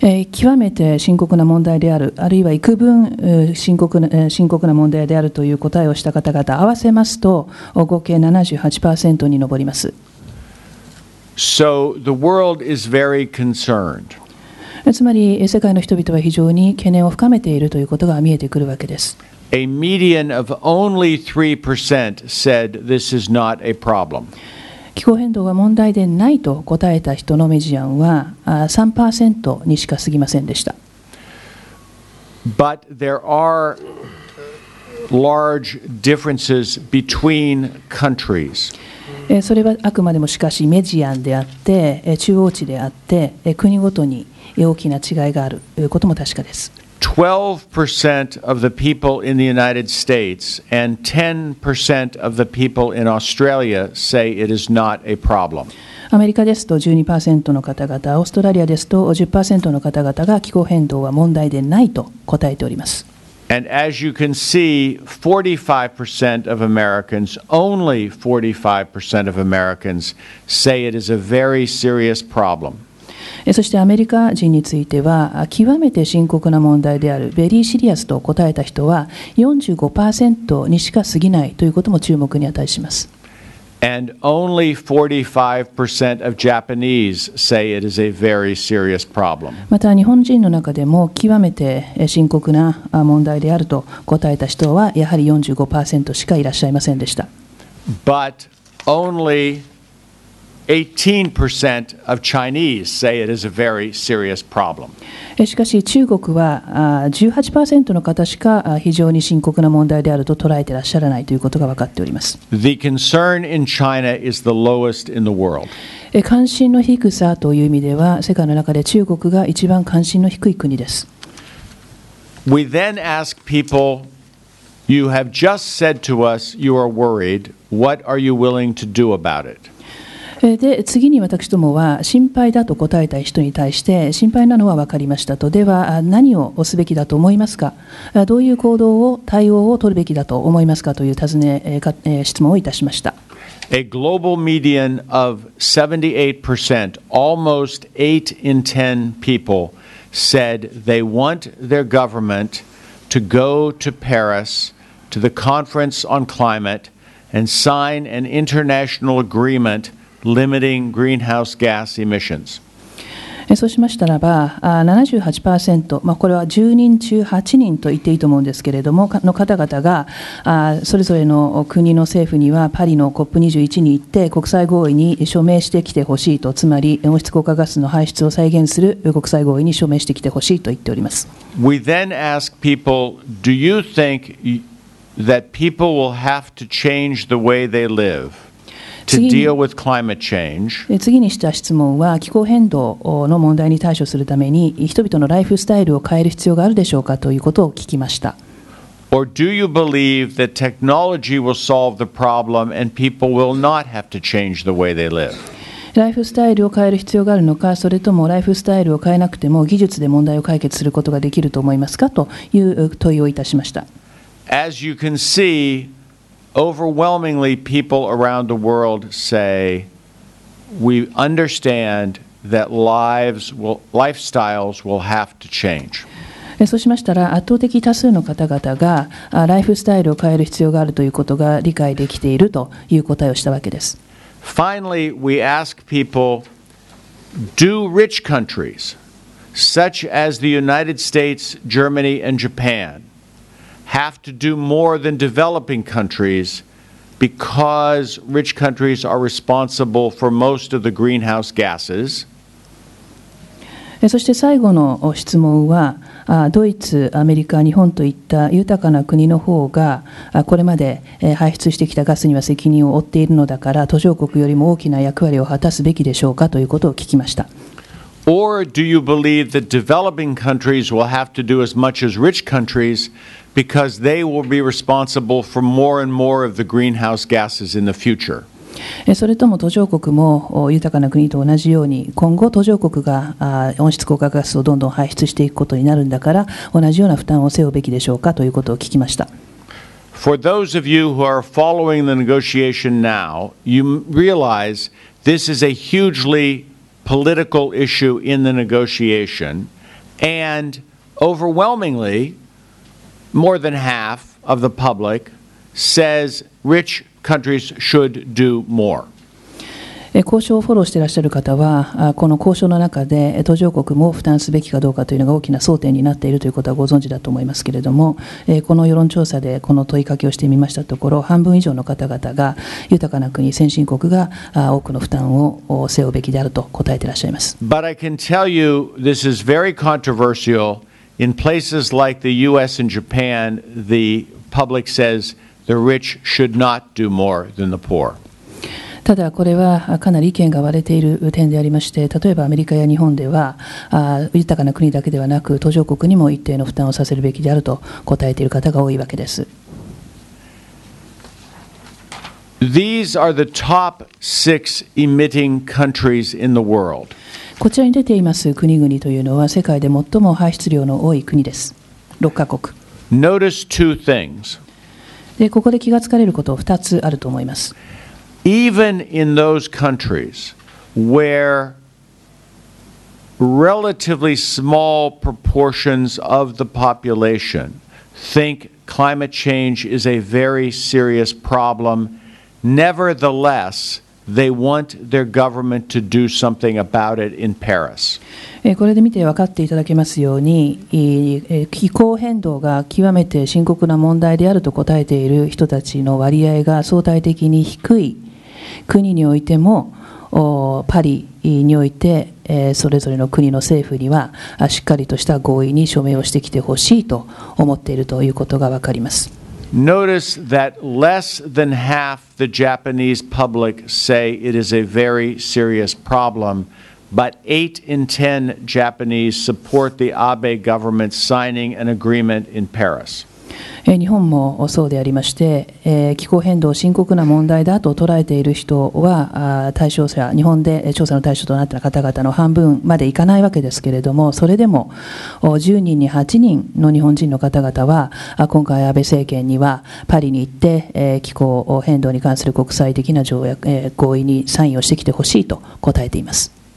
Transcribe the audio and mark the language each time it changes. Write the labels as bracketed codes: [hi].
[ja] 極めて深刻な問題である、あるいは幾分深刻な問題であるという答えをした方々合わせますと、合計 78% に上ります。 [en] So the world is very concerned. [ja] つまり世界の人々は非常に懸念を深めているということが見えてくるわけです。 [en] A median of only 3% said this is not a problem. [ja] 気候変動が問題でないと答えた人のメディアンは 3% にしか過ぎませんでした。 [en] But there are large differences between countries. [ja] それはあくまでもしかしメディアンであって中央値であって国ごとに大きな違いがあることも確かです。 [en] 12% of the people in the United States and 10% of the people in Australia say it is not a problem. [ja] アメリカですと 12% の方々、オーストラリアですと 10% の方々が気候変動は問題でないと答えております。 [en] And as you can see, 45% of Americans, only 45% of Americans, say it is a very serious problem. [ja] そしてアメリカ人については、極めて深刻な問題である、 [en] ベリーシリアス [ja] と答えた人は 45% にしか過ぎないということも注目に値します。 [en] And only 45% of Japanese say it is a very serious problem. [ja] また日本人の中でも極めて深刻な問題であると答えた人はやはり 45% しかいらっしゃいませんでした。 [en] But only 18% of Chinese say it is a very serious problem. [ja] しかし中国は 18% の方しか非常に深刻な問題であると捉えてらっしゃらないということが分かっております。 [en] The concern in China is the lowest in the world. [ja] 関心の低さという意味では世界の中で中国が一番関心の低い国です。 [en] We then ask people, you have just said to us you are worried. What are you willing to do about it? [ja] で次に私どもは心配だと答えた人に対して心配なのは分かりましたとでは何をすべきだと思いますかどういう行動を対応を取るべきだと思いますかという尋ね質問をいたしました [en] A global median of 78% almost 8 in 10 people said they want their government to go to Paris to the conference on climate and sign an international agreementlimiting greenhouse gas emissions. [ja] そうしましたらば 78%、まあ、これは10人中8人と言っていいと思うんですけれどもの方々がそれぞれの国の政府にはパリの COP21 に行って国際合意に署名してきてほしいとつまり温室効果ガスの排出を再現する国際合意に署名してきてほしいと言っております [en] We then ask people, do you think that people will have to change the way they liveTo deal with climate change. [ja] 次にした質問は気候変動の問題に対処するために人々のライフスタイルを変える必要があるでしょうかということを聞きました。 [en] Or do you believe that technology will solve the problem and people will not have to change the way they live? [ja] ライフスタイルを変える必要があるのか、それともライフスタイルを変えなくても技術で問題を解決することができると思いますかという問いをいたしました。 [en] As you can see,Overwhelmingly, people around the world say we understand that lifestyles will have to change. [ja] そうしましたら、圧倒的多数の方々がライフスタイルを変える必要があるということが理解できているという答えをしたわけです。 [en] Finally, we ask people, do rich countries, such as the United States, Germany, and Japan,have to do more than developing countries because rich countries are responsible for most of the greenhouse gases. [ja] そして最後の質問は、ドイツ、アメリカ、日本といった豊かな国の方がこれまで排出してきたガスには責任を負っているのだから、途上国よりも大きな役割を果たすべきでしょうかということを聞きました。 [en] Or do you believe that developing countries will have to do as much as rich countries? Because they will be responsible for more and more of the greenhouse gases in the future. [ja] それとも途上国も豊かな国と同じように今後途上国が温室効果ガスをどんどん排出していくことになるんだから同じような負担を背負うべきでしょうかということを聞きました。 [en] For those of you who are following the negotiation now, you realize this is a hugely political issue in the negotiation, and overwhelmingly,More than half of the public says rich countries should do more. [ja] 交渉をフォローしていらっしゃる方は、この交渉の中で途上国も負担すべきかどうかというのが大きな争点になっているということはご存知だと思いますけれども、この世論調査でこの問いかけをしてみましたところ、半分以上の方々が豊かな国、先進国が多くの負担を背負うべきであると答えていらっしゃいます。 [en] But I can tell you this is very controversial. In places like the U.S. and Japan, the public says the rich should not do more than the poor. [ja] ただこれはかなり意見が割れている点でありまして、例えばアメリカや日本では豊かな国だけではなく途上国にも一定の負担をさせるべきであると答えている方が多いわけです。 [en] These are the top six emitting countries in the world. [ja] こちらに出ています国々というのは世界で最も排出量の多い国です。 6カ国。 [en] Notice two things. [ja] で、ここで気がつかれることは2つあると思います。 [en] Even in those countries where relatively small proportions of the population think climate change is a very serious problem Nevertheless, they want their government to do something about it in Paris. [ja] これで見て分かっていただけますように、気候変動が極めて深刻な問題であると答えている人たちの割合が相対的に低い国においても、パリにおいて、それぞれの国の政府にはしっかりとした合意に署名をしてきてほしいと思っているということが分かります。 [en] Notice that less than half the Japanese public say it is a very serious problem, but 8 in 10 Japanese support the Abe government signing an agreement in Paris. [ja] 日本もそうでありまして、気候変動深刻な問題だと捉えている人は対象者、日本で調査の対象となった方々の半分までいかないわけですけれども、それでも10人に8人の日本人の方々は、今回安倍政権にはパリに行って、気候変動に関する国際的な条約、合意にサインをしてきてほしいと答えています。